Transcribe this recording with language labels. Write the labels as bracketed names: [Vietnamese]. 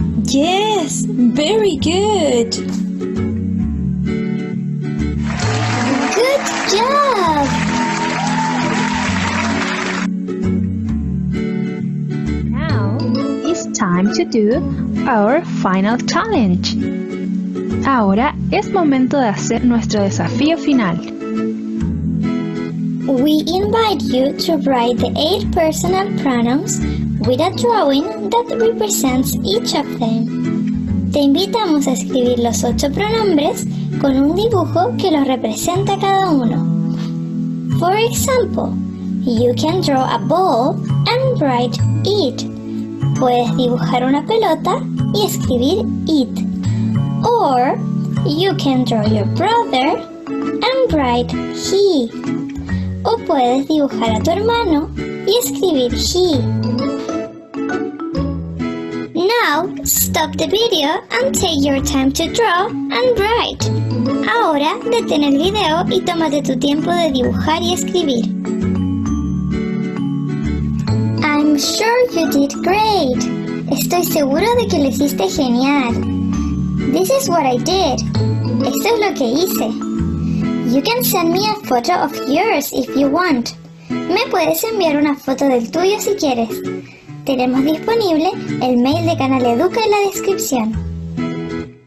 [English] Yes, very good. Good job. Now it's time to do our final challenge. [Spanish] Ahora es momento de hacer nuestro desafío final. [English] We invite you to write the 8 personal pronouns with a drawing that represents each of them. [Spanish] Te invitamos a escribir los 8 pronombres con un dibujo que los representa cada uno. [English] For example, you can draw a ball and write it. [Spanish] Puedes dibujar una pelota y escribir it. [English] Or, You can draw your brother and write he. [Spanish] O puedes dibujar a tu hermano y escribir he. [English] Now, stop the video and take your time to draw and write. [Spanish] Ahora, detén el video y tómate tu tiempo de dibujar y escribir. [English] I'm sure you did great. [Spanish] Estoy seguro de que lo hiciste genial. [English] This is what I did. [Spanish] Esto es lo que hice. [English] You can send me a photo of yours if you want. [Spanish] Me puedes enviar una foto del tuyo si quieres. Tenemos disponible el mail de Canal Educa en la descripción.